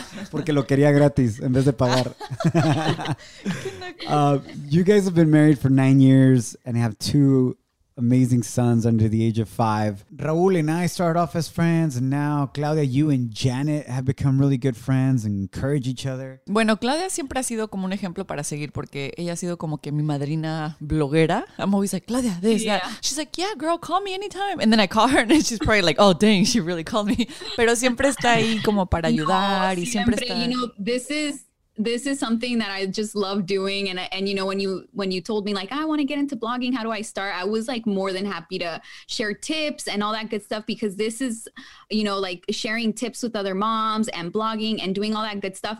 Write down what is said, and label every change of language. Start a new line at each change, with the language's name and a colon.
Spanish: Porque lo quería gratis en vez de pagar.
English: You guys have been married for 9 years and have two amazing sons under the age of 5. Raul and I started off as friends, and now Claudia, you and Janet have become really good friends and encourage each other.
Spanish: Bueno, Claudia siempre ha sido como un ejemplo para seguir, porque ella ha sido como que mi madrina bloguera.
English: I'm always like, Claudia, this, that. She's like, yeah, girl, call me anytime. And then I call her and she's probably like, oh, dang, she really called me.
Spanish: Pero siempre está ahí como para ayudar. No, siempre está.
English: You know, this is something that I just love doing. And you know, when you told me like, I want to get into blogging, how do I start? I was like more than happy to share tips and all that good stuff, because this is, you know, like sharing tips with other moms and blogging and doing all that good stuff.